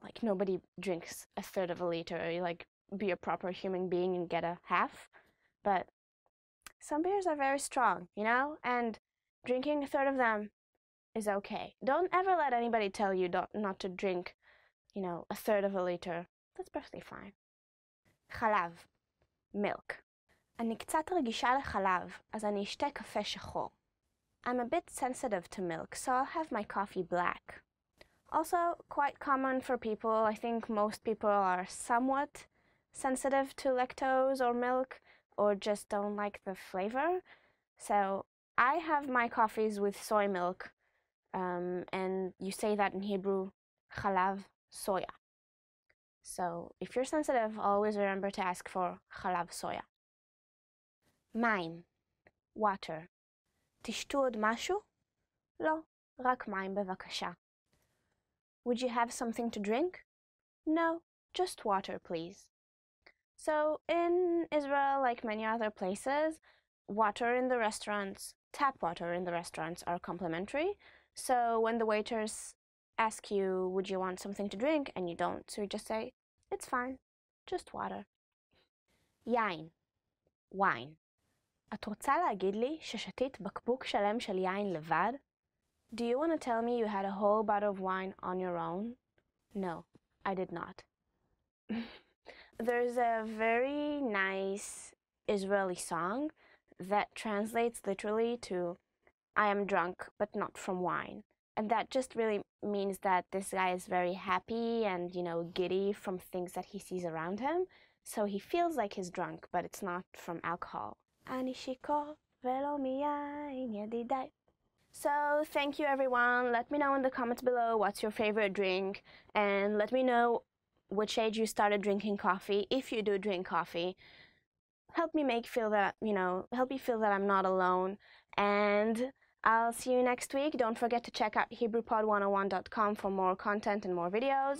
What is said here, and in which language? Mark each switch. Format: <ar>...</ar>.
<en>Like, nobody drinks a third of a liter or, like, be a proper human being and get a half. But some beers are very strong, you know? And drinking a third of them is okay. Don't ever let anybody tell you not to drink, you know, a third of a liter. That's perfectly fine. Chalav. Milk.</en> <he>אני קצת רגישה לחלב, אז אני אשתה קפה שחור.</he> <en>I'm a bit sensitive to milk, so I'll have my coffee black. Also, quite common for people, I think most people are somewhat sensitive to lactose or milk, or just don't like the flavor. So, I have my coffees with soy milk, and you say that in Hebrew, chalav soya. So, if you're sensitive, always remember to ask for chalav soya.</en> <he>מים, water. תשתו עוד משהו? לא, רק מים בבקשה.</he> <en>Would you have something to drink? No, just water, please. So, in Israel, like many other places, water in the restaurants, tap water in the restaurants, are complimentary. So, when the waiters ask you, would you want something to drink, and you don't, so you just say, it's fine, just water.</en> <he>יין, wine. את רוצה להגיד לי ששתית בקבוק שלם של יין לבד?</he> <en>Do you want to tell me you had a whole bottle of wine on your own? No, I did not. There's a very nice Israeli song that translates literally to I am drunk, but not from wine. And that just really means that this guy is very happy and, you know, giddy from things that he sees around him. So he feels like he's drunk, but it's not from alcohol.</en> <he>אני שיכור ולא מיין ידידי.</he> <en>So thank you everyone. Let me know in the comments below what's your favorite drink, and let me know which age you started drinking coffee, if you do drink coffee. Help me make feel that, you know, help me feel that I'm not alone. And I'll see you next week. Don't forget to check out HebrewPod101.com for more content and more videos.</en>